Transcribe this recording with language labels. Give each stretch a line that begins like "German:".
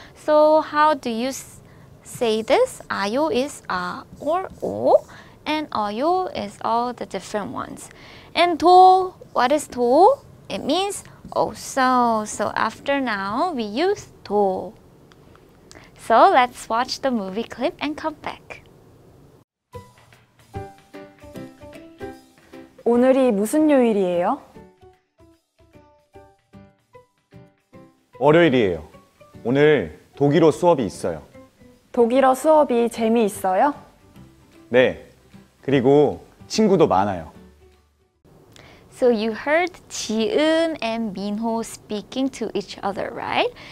English: So, how do you say this? 아요 is 아 or 오, and 어요 is all the different ones. And 도, what is 도? It means also. So, after now, we use 도. So let's watch the movie clip and come back.
Korean: 오늘이 무슨 요일이에요? 월요일이에요. 오늘 독일어 수업이 있어요. 독일어 수업이 재미있어요? 네. 그리고 친구도 많아요.
English: So you heard Ji-eun and Min-ho speaking to each other, right?